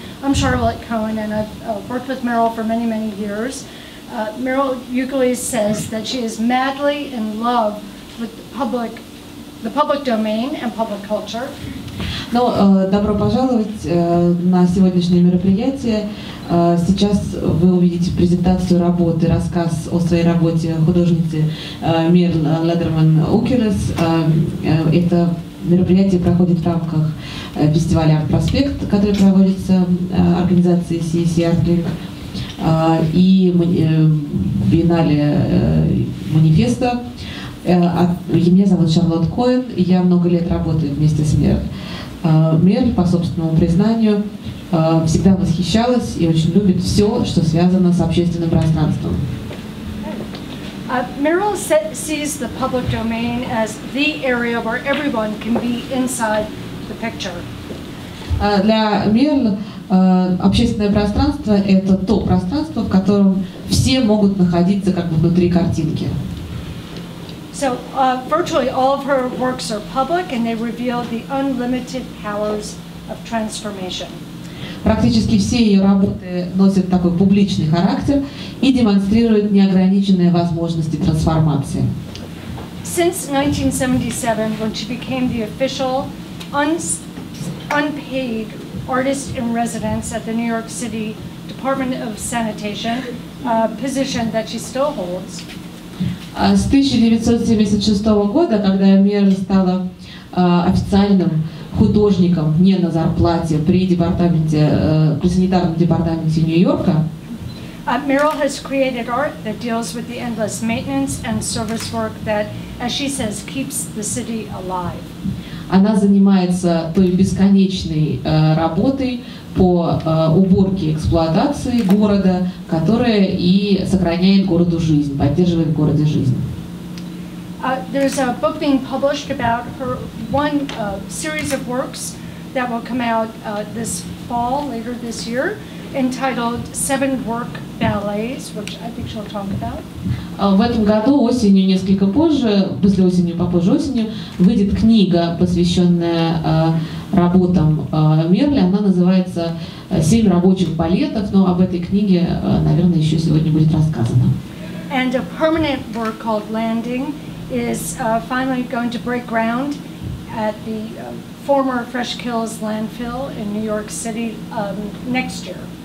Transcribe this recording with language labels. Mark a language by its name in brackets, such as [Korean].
[English] I'm Charlotte Cohen and I've worked with Mierle for many, many years. Mierle Ukeles says that she is madly in love with the public domain and public culture. [Russian] Ну, добро пожаловать на сегодняшнее мероприятие. Сейчас вы увидите презентацию работы, рассказ о своей работе художницы Мирл Ледерман Укерес. Это мероприятие проходит в рамках фестиваля Art Prospect, который проводится организацией CEC ArtLink и биеннале Манифеста. Меня зовут Шарлотт Коэн, я много лет работаю вместе с Мирл. Мерль, по собственному признанию, всегда восхищалась и очень любит все, что связано с общественным пространством. [English] Мерль sees the public domain as the area where everyone can be inside the picture. [Russian] Для Мерль общественное пространство – это то пространство, в котором все могут находиться как бы внутри картинки. [English] So virtually all of her works are public, and they reveal the unlimited powers of transformation. [Russian] Практически все ее работы носят такой публичный характер и демонстрируют неограниченные возможности трансформации. [English] Since 1977, when she became the official unpaid artist in residence at the New York City Department of Sanitation, a position that she still holds. [Russian] С 1976 года, когда Мерль стала официальным художником не на зарплате при департаменте, при санитарном департаменте Нью-Йорка. [English] Мерль has created art that deals with the endless maintenance and service work that, as she says, keeps the city alive. [Russian] Она занимается той бесконечной работой по уборке эксплуатации города, которая и сохраняет городу жизнь, поддерживает в городе жизнь. [English] There's a book being published about her one series of works that will come out this fall, later this year, entitled Seven Work Ballets, which I think she'll talk about. [Russian] В этом году, осенью, несколько позже, после осени, попозже осенью, выйдет книга, посвященная работам Мерли. Она называется «Семь рабочих балетов», но об этой книге, наверное, еще сегодня будет рассказано. [English] And a permanent work called «Landing» is finally going to break ground at the former Fresh-Kills landfill in New York City next year.